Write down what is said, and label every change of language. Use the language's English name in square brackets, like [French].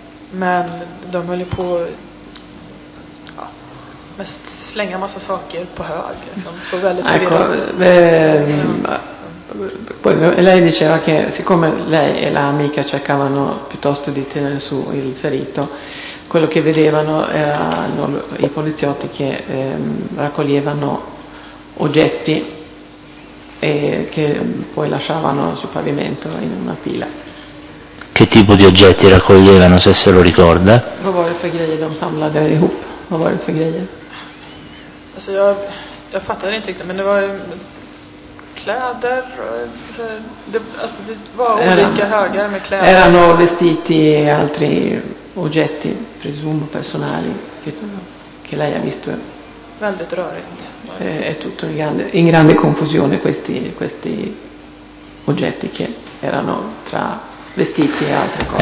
[Swedish] Men de höll ju på ja, mest slänga massa saker på hög. Liksom, så väldigt [Italian] ecco, quello, lei diceva che siccome lei e la amica cercavano piuttosto di tenere su il ferito, quello che vedevano erano i poliziotti che raccoglievano oggetti e che poi lasciavano sul pavimento in una pila. Che tipo di oggetti raccoglievano, se se lo ricorda? [Swedish] Vad var det för grejer de samlade ihop? Vad var det för grejer? Alltså jag fattade inte riktigt, men det var kläder och det var olika högar med kläder. [Italian] Erano vestiti e altri oggetti, presumo personali, che lei ha visto. [Swedish] Väldigt rörigt. [Italian] È tutto in grande confusione questi oggetti che erano tra vestiti e altre cose.